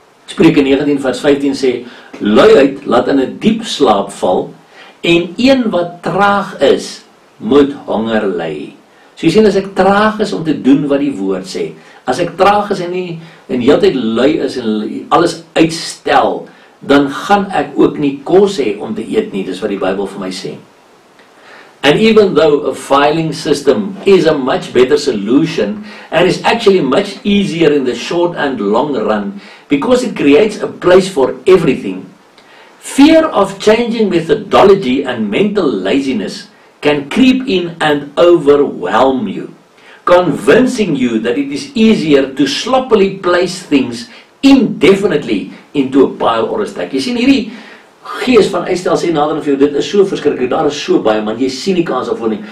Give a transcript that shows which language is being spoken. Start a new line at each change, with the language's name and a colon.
Afrikaans: Spreuke 19 vers 15 sê, luiheid laat in 'n diep slaap val, en een wat traag is, moet honger ly. So jy sien, as ek traag is om te doen wat die woord sê, as ek traag is en nie, en die hele tyd lui is en alles uitstel, dan gaan ek ook nie kos hê om te eet nie, dis wat die Bybel vir my sê.
English: And even though a filing system is a much better solution, and is actually much easier in the short and long run, because it creates a place for everything, fear of changing methodology and mental laziness can creep in and overwhelm you, convincing you that it is easier to sloppily place things indefinitely into a pile or a stack. You see,
Afrikaans: hierdie gees van uitstel sê nader aan vir jou, dit is so verskriklik, daar is so baie, man, jy sien die kans daarvoor nie.